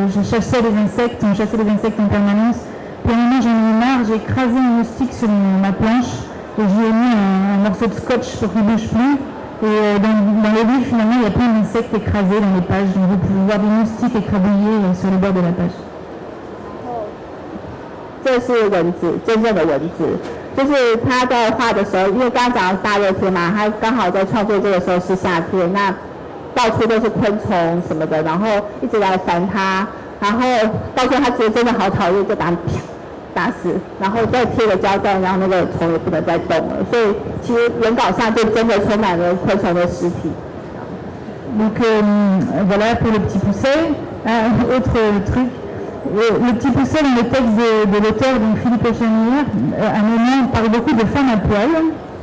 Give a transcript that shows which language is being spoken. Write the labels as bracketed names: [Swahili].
[French] chassais les insectes, on chassait les insectes en permanence. Puis un moment, j'en ai eu marre, j'ai écrasé un moustique sur ma planche et j'y ai mis un morceau de scotch pour qu'il ne bouge plus. Et dans le livre, finalement, il y a plein d'insectes écrasés dans les pages. Donc vous pouvez voir des moustiques écrabouillés sur le bord de la page. [Chinese] 这是文字，真正的文字，就是他在画的时候，因为刚刚讲到大热天嘛，他刚好在创作这个时候是夏天，那到处都是昆虫什么的，然后一直来烦他，然后到时候他觉得真的好讨厌，就把他打死，然后再贴了胶带，然后那个虫也不能再动了，所以其实原稿上就真的充满了昆虫的尸体。 [French] Le petit poucet dans le texte de l'auteur donc Philippe Chanier, à un moment, parle beaucoup de femmes à poil.